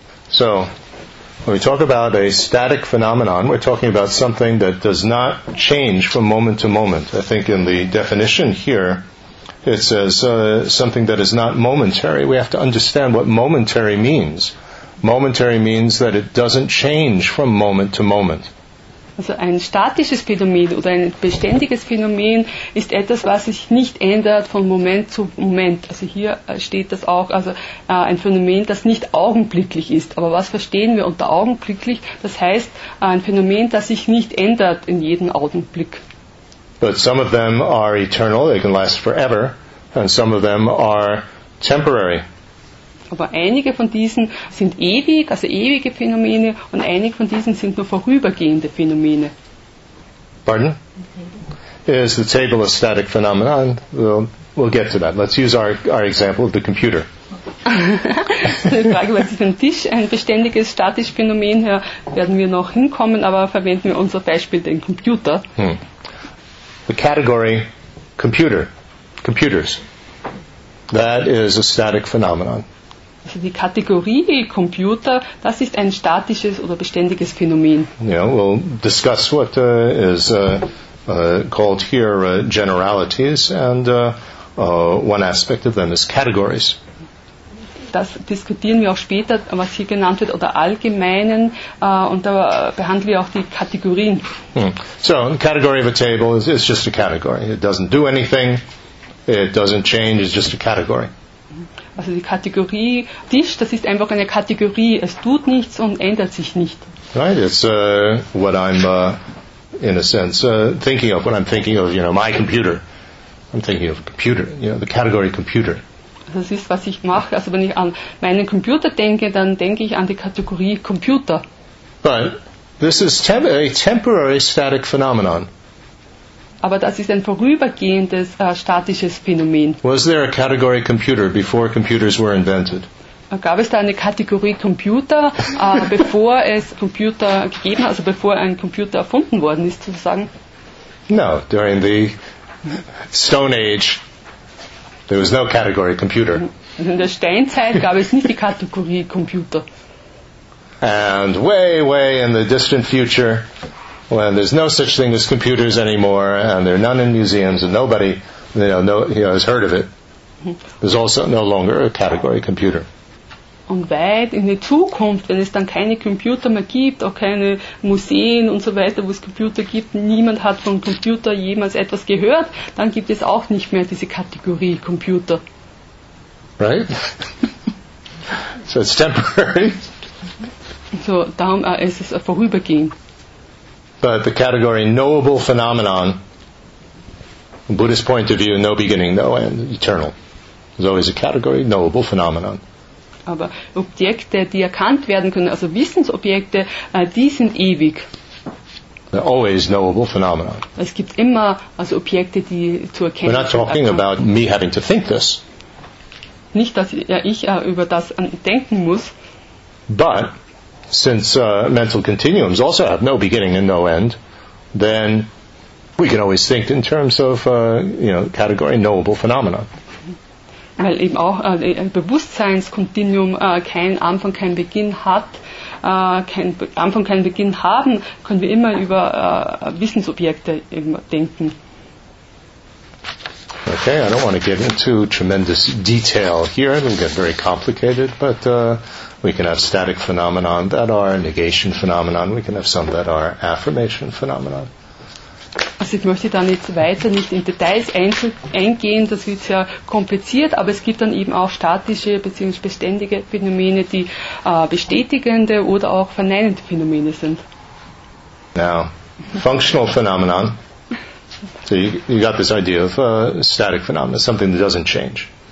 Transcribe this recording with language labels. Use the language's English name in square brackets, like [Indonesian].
[English] So, when we talk about a static phenomenon, we're talking about something that does not change from moment to moment. I think in the definition here, it says something that is not momentary. We have to understand what momentary means. Momentary means that it doesn't change from moment to moment. [German] Also ein statisches Phänomen oder ein beständiges Phänomen ist etwas, was sich nicht ändert von Moment zu Moment. Also hier steht das auch, also ein Phänomen, das nicht augenblicklich ist. Aber was verstehen wir unter augenblicklich? Das heißt, ein Phänomen, das sich nicht ändert in jedem Augenblick. [English] But some of them are eternal, they can last forever, and some of them are temporary. [German] Aber einige von diesen sind ewig, also ewige Phänomene, und einige von diesen sind nur vorübergehende Phänomene. [English] Pardon? Is the table a static phenomenon? We'll get to that. Let's use our example of the computer. [German] Die Frage, was ist ein Tisch, ein beständiges, statisches Phänomen, hier werden wir noch hinkommen, aber verwenden wir unser Beispiel, den Computer. [English] The category computers, that is a static phenomenon. [German] Also die Kategorie Computer, das ist ein statisches oder beständiges Phänomen. [English] Yeah, we'll discuss what called here generalities, and one aspect of them is categories. [German] Das diskutieren wir auch später, was hier genannt wird, oder allgemeinen, und da behandeln wir auch die Kategorien. [English] So, the category of a table is just a category. It doesn't do anything, it doesn't change, it's just a category. [German] Also die Kategorie Tisch, das ist einfach eine Kategorie, es tut nichts und ändert sich nicht. [English] Right, it's what I'm, in a sense, thinking of, when I'm thinking of, you know, my computer. I'm thinking of a computer, you know, the category computer. [German] Das ist, was ich mache. Also wenn ich an meinen Computer denke, dann denke ich an die Kategorie Computer. [English] But This is a temporary static phenomenon. [German] Aber das ist ein vorübergehendes statisches Phänomen. [English] Was there a category computer before computers were invented? [German] Gab es da eine Kategorie Computer, bevor es Computer gegeben hat, also bevor ein Computer erfunden worden ist, sozusagen? [English] No, during the Stone Age, there was no category computer. [German] Also in der Steinzeit gab es nicht die Kategorie Computer. [English] And way, way in the distant future, when there's no such thing as computers anymore, and there are none in museums, and nobody has heard of it, there's also no longer a category computer. [German] Und weit in die Zukunft, wenn es dann keine Computer mehr gibt, auch keine Museen und so weiter, wo es Computer gibt, niemand hat von Computer jemals etwas gehört, dann gibt es auch nicht mehr diese Kategorie Computer. [English] Right? So it's temporary. [German] So, darum ist es vorübergehend. [English] But the category knowable phenomenon, from Buddhist point of view, no beginning, no end, eternal. There's always a category, knowable phenomenon. [German] Aber Objekte, die erkannt werden können, also Wissensobjekte, die sind ewig. [English] They're always knowable phenomena. [German] Es gibt immer also Objekte, die zu erkennen sind. [English] We're not talking about me having to think this. [German] Nicht, dass ich über das denken muss. [English] But since mental continuums also have no beginning and no end, then we can always think in terms of category knowable phenomena. [German] Weil eben auch ein Bewusstseinskontinuum keinen Anfang, keinen Beginn hat, keinen Anfang, keinen Beginn haben, können wir immer über Wissensobjekte eben denken. [English] Okay, I don't want to get into tremendous detail here. It will get very complicated, but we can have static phenomena that are negation phenomena. We can have some that are affirmation phenomena. [German] Also ich möchte da nicht weiter nicht in Details eingehen, das wird sehr kompliziert, aber es gibt dann eben auch statische bzw. beständige Phänomene, die bestätigende oder auch verneinende Phänomene sind. [English] Now, functional phenomenon. So you got this idea of static phenomenon, something that doesn't change.